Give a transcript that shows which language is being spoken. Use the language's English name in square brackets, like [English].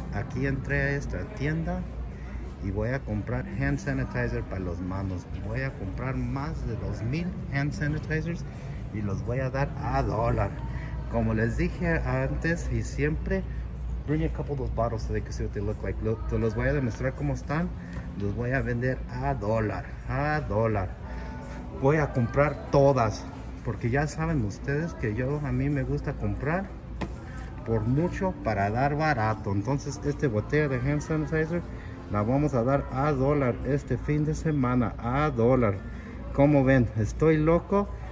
[Spanish] Aquí entré a esta tienda y voy a comprar hand sanitizer para las manos. Voy a comprar más de 2,000 hand sanitizers y los voy a dar a dólar. Como les dije antes y siempre, [English] bring a couple of those bottles so they can see what they look like. [Spanish] Te los voy a demostrar cómo están. Los voy a vender a dólar. A dólar. Voy a comprar todas. Porque ya saben ustedes que yo, a mí me gusta comprar por mucho para dar barato. Entonces, este botella de hand sanitizer la vamos a dar a dólar este fin de semana. A dólar. ¿Cómo ven? ¿Estoy loco?